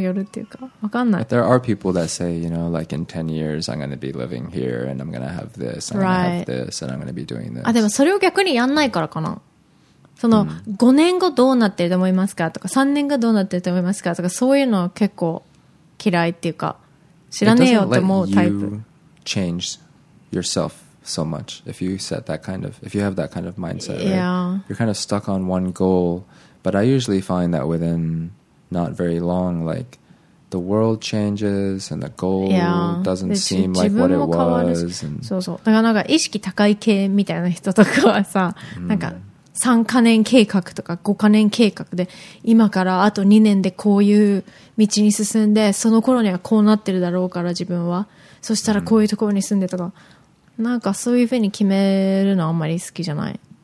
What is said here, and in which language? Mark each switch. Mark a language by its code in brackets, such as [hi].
[en] But there are people that say, you know, like in 10 years I'm going to be living here and I'm going to have this and right. I'm going to have this and I'm going to be doing this. [ja] あ、でもそれを逆にやんないからかな。その、mm. 5年後どうなってると思いますかとか3年後どうなってると思いますかとか、そういうのは結構嫌いっていうか、知らねえよと思うタイプ。 [en] It doesn't let you change yourself so much if you set that kind of, if you have that kind of mindset, right? Yeah. You're kind of stuck on one goal. But I usually find that within not very long, like the world changes and the goal yeah, doesn't seem like what it was. [ja] そうそう。だからなんか意識高い系みたいな人とかはさ、なんか 3カ年計画とか5カ年計画で今からあと2年でこういう道に進んでその頃にはこうなってるだろうから自分はそしたらこういうところに住んでとか、うん、なんかそういうふうに決めるのあんまり好きじゃない。